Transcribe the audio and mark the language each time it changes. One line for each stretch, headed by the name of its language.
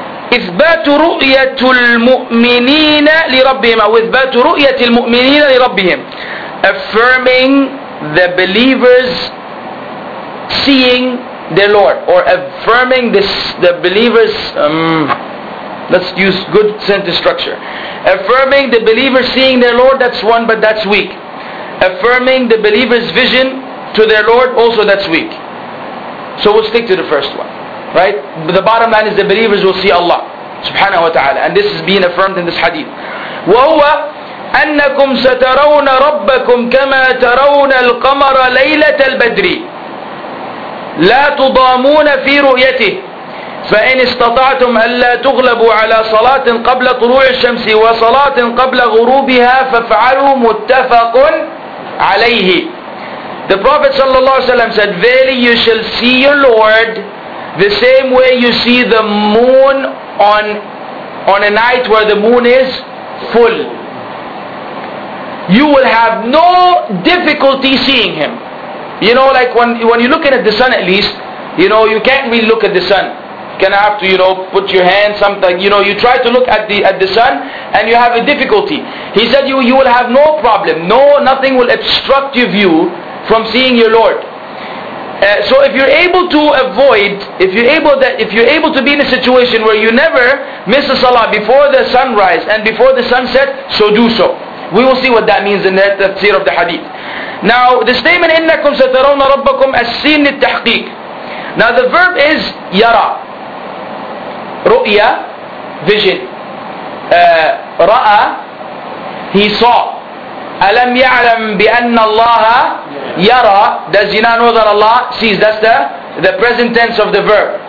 Arabic: إثبات رؤية المؤمنين لربهم أو إثبات رؤية المؤمنين لربهم.
English: Affirming the believers seeing their Lord, or affirming the believers. Let's use good sentence structure. Affirming the believers seeing their Lord, that's one, but that's weak. Affirming the believers' vision to their Lord, also that's weak. So we'll stick to the first one, right? The bottom line is the believers will see Allah subhanahu wa ta'ala, and this is being affirmed in this hadith.
Arabic: وَهُوَ أَنَّكُمْ سَتَرَوْنَ رَبَّكُمْ كَمَا تَرَوْنَ الْقَمَرَ لَيْلَةَ الْبَدْرِ لَا تُضَامُونَ فِي رُؤْيَتِهِ فَإِنْ اسْتَطَعْتُمْ أَلَّا تُغْلَبُوا عَلَى صَلَاةٍ قَبْلَ طُلُوعِ الشَّمْسِ وَصَلَاةٍ قَبْلَ غُرُوبِهَا فَافْعَلُوا مُتَّفَقٌ عَلَيْهِ.
English: The Prophet sallallahu alaihi wasallam said, verily you shall see your Lord the same way you see the moon on a night where the moon is full. You will have no difficulty seeing him. You know, like when you're looking at the sun, at least, you can't really look at the sun. You kind of have to, put your hand, something. You try to look at the sun and you have a difficulty. He said you will have no problem. No, nothing will obstruct your view from seeing your Lord. So if you're able to avoid, if you're able to be in a situation where you never miss a salah before the sunrise and before the sunset, so do so. We will see what that means in the tafsir of the hadith. Now the statement,
Arabic: إِنَّكُمْ سَتَرَوْنَ رَبَّكُمْ أَسِّينِ لِلتَّحْقِيقِ.
English: Now the verb is yara, ru'ya, vision.
Arabic: Ra'a,
English: he saw.
Arabic: أَلَمْ يَعْلَمْ بِأَنَّ اللَّهَ يَرَى.
English: Does he not know that Allah sees? That's the present tense of the verb.